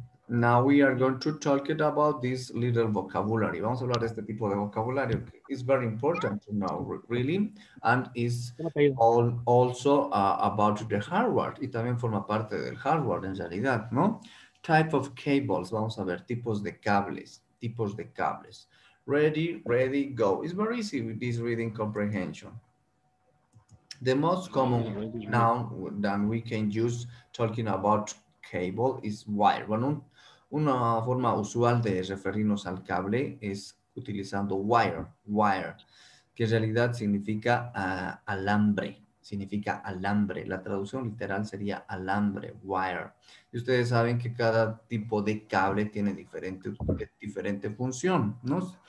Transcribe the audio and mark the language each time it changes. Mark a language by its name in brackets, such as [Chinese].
[English] Now we are going to talk it about this little vocabulary. [Spanish] Vamos a hablar de este tipo de vocabulario. [English] It's very important to know, really. And is also about the hardware. [Spanish] Y también forma parte del hardware, en realidad, ¿no? [English] Type of cables. [Spanish] Vamos a ver tipos de cables. Tipos de cables. [English] Ready, go. It's very easy with this reading comprehension. The most common noun that we can use talking about cable is wire. [Spanish] Bueno, una forma usual de referirnos al cable es utilizando wire, que en realidad significa alambre. Significa alambre. La traducción literal sería alambre, wire. Y ustedes saben que cada tipo de cable tiene diferente función, ¿no?